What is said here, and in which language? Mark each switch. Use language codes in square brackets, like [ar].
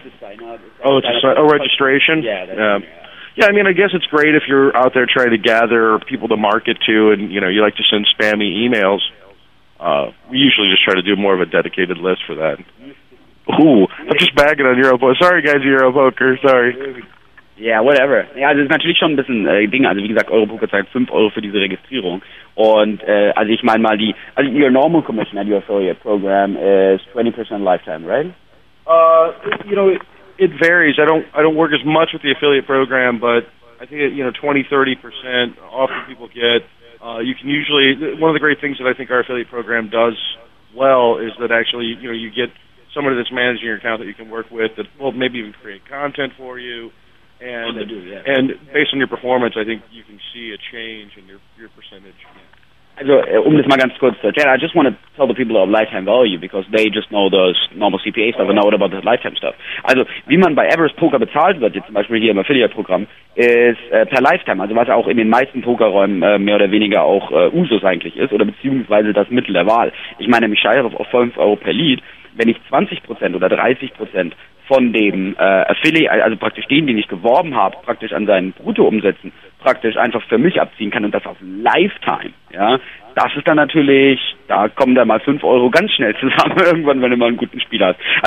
[en] it's a registration? Yeah, I mean, I guess it's great if you're out there trying to gather people to market to and, you know, you like to send spammy emails. We usually just try to do more of a dedicated list for that. Ooh, I'm just bagging on EuroPoker. Sorry, guys, EuroPoker. Sorry. Yeah, whatever. [de] Ja, das ist natürlich schon ein bisschen Ding. Also wie gesagt, EuroPoker zahlt 5 Euro für diese Registrierung. Und also ich meine mal die, also [en] your normal commission at your affiliate program is 20% lifetime, right? You know, it varies. I don't work as much with the affiliate program, but I think, you know, 20-30% often people get. You can usually, one of the great things that I think our affiliate program does well is that actually, you know, you get somebody that's managing your account that you can work with that will maybe even create content for you. And based on your performance, I think you can see a change in your percentage. [de] Also, das mal ganz kurz zu erklären, [en] I just want to tell the people about lifetime value, because they just know those normal CPA stuff, and now what about the lifetime stuff? [de] Also, wie man bei Everest Poker bezahlt wird, jetzt zum Beispiel hier im Affiliate-Programm, ist per Lifetime, also was auch in den meisten Pokerräumen mehr oder weniger auch Usus eigentlich ist, oder beziehungsweise das Mittel der Wahl. Ich meine, ich scheiße auf 5 Euro per Lead, wenn ich 20% oder 30% von dem Affiliate, also praktisch den, den ich geworben habe, praktisch an seinen Bruttoumsätzen praktisch einfach für mich abziehen kann und das auf Lifetime, ja, das ist dann natürlich, da kommen dann mal 5 Euro ganz schnell zusammen irgendwann, wenn du mal einen guten Spieler hast.